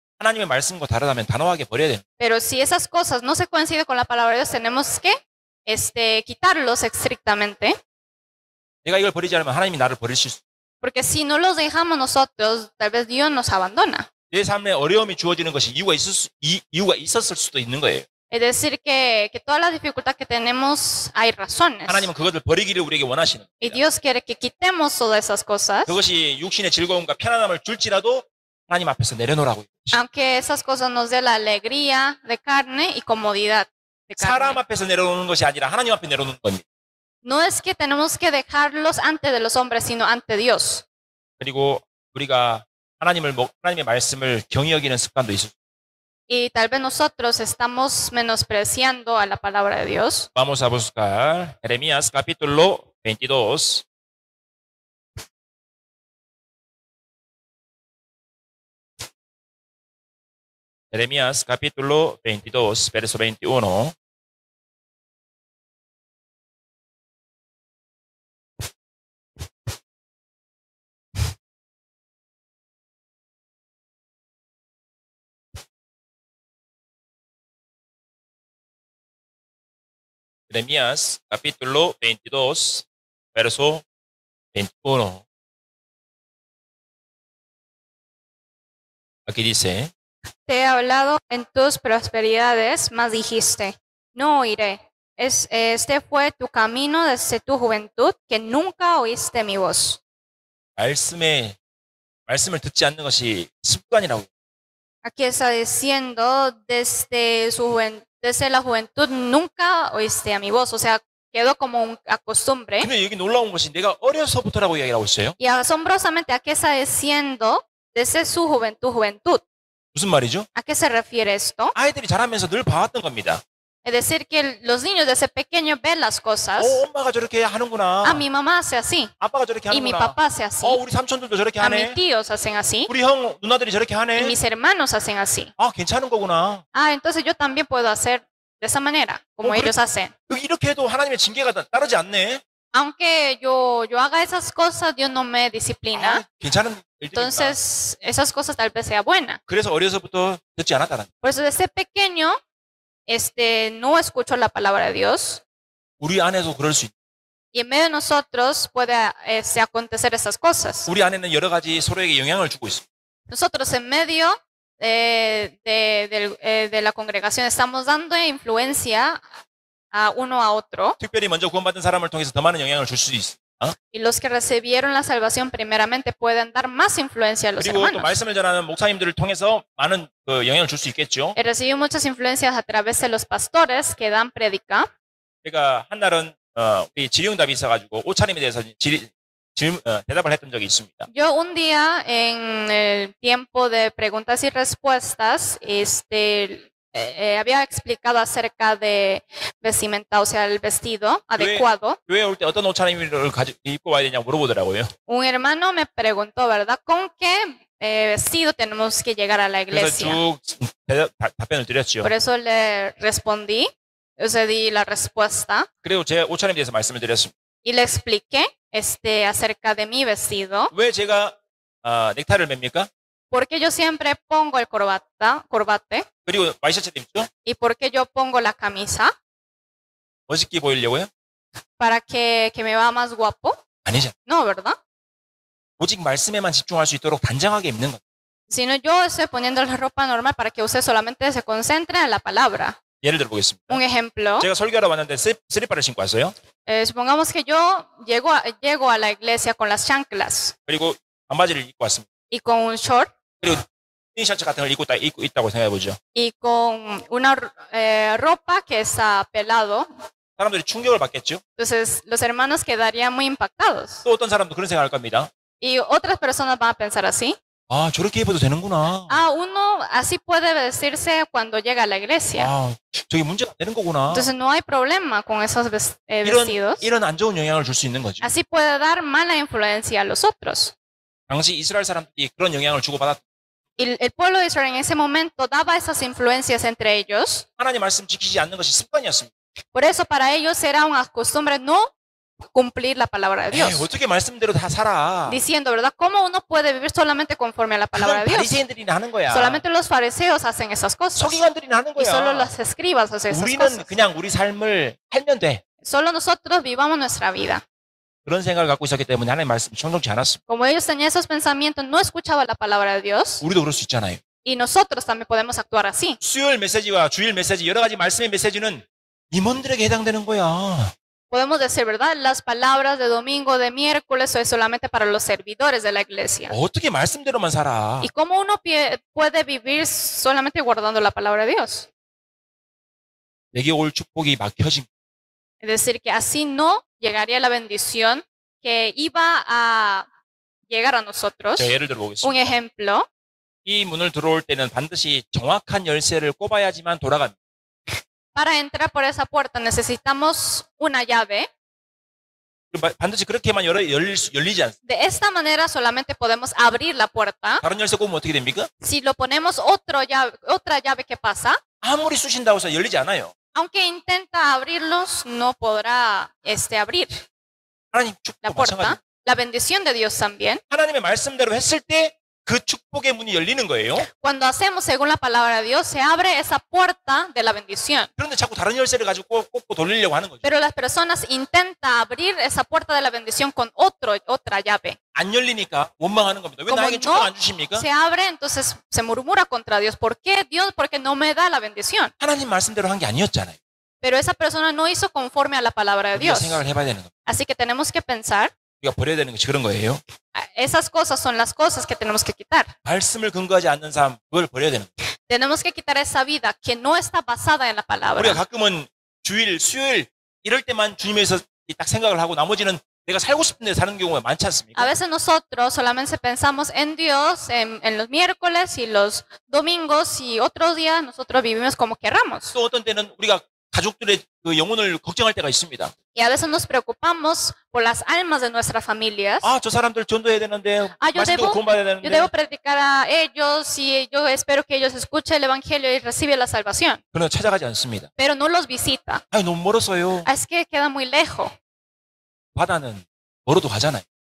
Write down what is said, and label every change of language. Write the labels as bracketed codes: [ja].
[ko] 하나님의 말씀과 다르다면 단호하게 버려야 돼. [es] Pero si esas cosas no se coinciden con la palabra de Dios, tenemos que quitarlos estrictamente. [ko] 내가 이걸 버리지 않으면 하나님이 나를 버리실 수. [es] Porque si no los dejamos nosotros, tal vez Dios nos abandona. [ko] 내 삶에 어려움이 주어지는 것이 이유가 있었을 수도 있는 거예요. [es] Es decir que todas las dificultades que tenemos hay razones. [ko] 하나님은 그것을 버리기를 우리에게 원하시는. [es] Y Dios quiere que quitemos todas esas cosas. [ko] 그것이 육신의 즐거움과 편안함을 줄지라도 하나님 앞에서 내려놓으라고. [es] Aunque esas cosas nos dé la alegría de carne y comodidad. De carne. [ko] 사람 앞에서 내려놓는 것이 아니라 하나님 앞에 내려놓는 겁니다. [es] No es que tenemos que dejarlos ante de los hombres, sino ante Dios. [ko] 그리고 우리가 하나님의 말씀을 경히 여기는 습관도 있어. [es] Y tal vez nosotros estamos menospreciando a la palabra de Dios. Vamos a buscar Jeremías capítulo 22. Jeremías capítulo 22, verso 21. Jeremías, capítulo 22, verso 21. Aquí dice, te he hablado en tus prosperidades, mas dijiste, no oiré. Este fue tu camino desde tu juventud, que nunca oíste mi voz. [ko] 말씀을 듣지 않는 것이 습관이라고. [es] Aquí está diciendo, desde su juventud, desde la juventud nunca oíste a mi voz, o sea, quedó como una costumbre. [ko] 근데 여기 놀라운 것이 내가 어려서부터라고 이야기하고 있어요. [es] Y asombrosamente, ¿a qué está diciendo desde su juventud? [ko] 무슨 말이죠? [es] ¿A qué se refiere esto? [ko] 아이들이 자라면서 늘 봐왔던 겁니다. [es] Es decir, que los niños desde pequeños ven las cosas. [ko] 오, 엄마가 저렇게 하는구나. [es] Ah, mi mamá hace así. [ko] 아빠가 저렇게 하는구나. [es] Y mi papá hace así. [ko] 우리 삼촌들도 저렇게 하네. [es] Ah, mis tíos hacen así. [ko] 우리 형, 누나들이 저렇게 하네. [es] Y mis hermanos hacen así. [ko] 아, 괜찮은 거구나. [es] Ah, entonces yo también puedo hacer de esa manera, como [ko] 그래, [es] ellos hacen. [ko] 이렇게 해도 하나님의 징계가 따르지 않네. [es] Aunque yo haga esas cosas, Dios no me disciplina. [ko] 아, 괜찮은 일들이다. [es] Entonces, esas cosas tal vez sea buena. [ko] 그래서 어려서부터 듣지 않았다는. [es] Por eso desde pequeño, no escucho la palabra de Dios. [ko] 우리 안에서 그럴 수 있. [es] Y en medio de nosotros puede acontecer esas cosas. [ko] 우리 안에는 여러 가지 서로에게 영향을 주고 있어. [es] Nosotros en medio de la congregación estamos dando influencia a uno a otro. [ko] 특별히 먼저 구원받은 사람을 통해서 더 많은 영향을 줄 수 있어. [es] Y los que recibieron la salvación primeramente pueden dar más influencia a los hermanos. [ko] 그리고 또 말씀을 전하는 목사님들을 통해서 많은 그 영향을 줄 수 있겠죠. [es] He recibido muchas influencias a través de los pastores que dan predica. [ko] 제가 한 날은 우리 지령답이 있어가지고 옷차림에 대해서 대답을 했던 적이 있습니다. [es] Yo un día en el tiempo de preguntas y respuestas, había explicado acerca de vestimenta, o sea, el vestido adecuado. [ko] 교회 올 때 어떤 옷차림을 입고 와야 되냐 물어보더라고요. [es] Un hermano me preguntó, ¿verdad? ¿Con qué vestido tenemos que llegar a la iglesia? [ko] 그래서 쭉 답변을 드렸죠. [es] Por eso le respondí, o sea, di la respuesta. [ko] 그리고 제 옷차림에 대해서 말씀을 드렸습니다. [es] Y le expliqué acerca de mi vestido. [ko] 왜 제가 넥타이를 맵니까? [es] Porque yo siempre pongo el corbata. [ko] 그리고 와이셔츠 입죠? [es] Y porque yo pongo la camisa. [ko] 멋있게 보이려고요? [es] Para que me va más guapo. [ko] 아니죠. [es] No, ¿verdad? [ko] 오직 말씀에만 집중할 수 있도록 단정하게 입는 것. [es] Sino yo estoy poniendo la ropa normal para que usted solamente se concentre en la palabra. [ko] 예를 들어 보겠습니다. [es] Un ejemplo. [ko] 제가 설교하러 왔는데 슬리퍼를 신고 왔어요. [es] Supongamos que yo llego a la iglesia con las chanclas. [ko] 그리고 반바지를 입고 왔습니다. [es] Y con un short. [ko] 그리고 티셔츠 같은 걸 입고 있다고 생각해 보죠. [es] Y con una ropa que está pelado. [ko] 사람들이 충격을 받겠죠. [es] Entonces los hermanos quedarían muy impactados. [ko] 또 어떤 사람도 그런 생각할 겁니다. [es] Y otras personas van a pensar así. [ko] 아, 저렇게 입어도 되는구나. [es] Ah, uno así puede vestirse cuando llega a la iglesia. [ko] 아, 저게 문제가 되는 거구나. [es] Entonces no hay problema con esos vestidos. [ko] 이런 안 좋은 영향을 줄 수 있는 거죠. [es] Así puede dar mala influencia a los otros. [ko] 당시 이스라엘 사람들이 그런 영향을 주고받았다. [es] El pueblo de Israel en ese momento daba esas influencias entre ellos. [ko] 하나님 말씀 지키지 않는 것이 습관이었습니다. [es] Por eso para ellos era una costumbre no cumplir la palabra de Dios. [ko] 어떻게 말씀대로 다 살아? [es] Diciendo, ¿verdad? ¿Cómo uno puede vivir solamente conforme a la palabra de Dios? [ko] 그건 바리새인들이나 하는 거야. [es] Solamente los fariseos hacen esas cosas. [ko] 서기관들이나 하는 거야. [es] Y solo los escribas hacen esas cosas. [ko] 우리는 그냥 우리 삶을 살면 돼. [es] Solo nosotros vivamos nuestra vida. [ko] 그런 생각을 갖고 있었기 때문에 하나님의 말씀을 청종치 않았습니다. [es] Como ellos tenían esos pensamientos, no escuchaba la palabra de Dios. [ko] 우리도 그럴 수 있잖아요. [es] Y nosotros también podemos actuar así. [ko] 수요일 메시지와 주일 메시지, 여러 가지 말씀의 메시지는 임원들에게 해당되는 거야. [es] Podemos decir, ¿verdad? Las palabras de domingo, de miércoles, es solamente para los servidores de la iglesia. [ko] 어떻게 말씀대로만 살아? [es] ¿Y cómo uno puede vivir solamente guardando la palabra de Dios? [ko] 내게 올 축복이 막혀진. [es] Es decir, que así no llegaría la bendición que iba a llegar a nosotros. [ko] 자, 예를 들어 보겠습니다. [es] Un ejemplo. [ko] 이 문을 들어올 때는 반드시 정확한 열쇠를 꼽아야지만 돌아갑니다. [es] Para entrar por esa puerta necesitamos una llave. [ko] 반드시 그렇게만 열리지 않습니다. [es] De esta manera solamente podemos abrir la puerta. [ko] 다른 열쇠 꼽으면 어떻게 됩니까? [es] Si lo ponemos otra llave, ¿qué pasa? [ko] 아무리 쑤신다고 해서 열리지 않아요. [es] Aunque intenta abrirlos, no podrá abrir [ko] 하나님, 축복, [es] la puerta. [ko] 마찬가지. [es] La bendición de Dios también. [ko] 하나님의 말씀대로 했을 때 그 축복의 문이 열리는 거예요. [es] Cuando hacemos según la palabra de Dios, se abre esa puerta de la bendición. [ko] 그런데 자꾸 다른 열쇠를 가지고 꼽고 돌리려고 하는 거죠. [es] Pero las personas intenta abrir esa puerta de la bendición con otra llave. [ko] 안 열리니까 원망하는 겁니다. 왜 나에게 축복 안 주십니까? [es] Se abre, entonces se murmura contra Dios. ¿Por qué Dios? ¿Por qué no me da la bendición? [ko] 하나님 말씀대로 한 게 아니었잖아요. [es] Pero esa persona no hizo conforme a la palabra de Dios. [ko] 생각을 해봐야 되는 겁니다. [es] Así que tenemos que pensar. [ko] 우리가 버려야 되는 것이 그런 거예요. [es] Esas cosas son las cosas que tenemos que quitar. [ko] 말씀을 근거하지 않는 삶, 그걸 버려야 되는 거예요. [es] Tenemos que quitar esa vida que no está basada en la palabra. [ko] 우리가 가끔은 주일, 수요일 이럴 때만 주님에서 딱 생각을 하고 나머지는 내가 살고 싶은데 사는 경우가 많지 않습니까? [es] A veces nosotros solamente pensamos en Dios en los miércoles y los domingos y otros días nosotros vivimos como queramos. [ko] 또 어떤 때는 우리가 가족들의 그 영혼을 걱정할 때가 있습니다. [es] Y a veces nos preocupamos por las almas de nuestras familias. [ko] 아, 저 사람들 전도해야 되는데, 말씀도 구원받아야 되는데. [es] Yo debo predicar a ellos y yo espero que ellos escuchen el evangelio y reciban la salvación. [ko] 그러나 찾아가지 않습니다. [es] Pero no los visita. [ko] 아, 너무 멀었어요. [es] Es que queda muy lejos. [ko] 바다는 멀어도 가잖아요.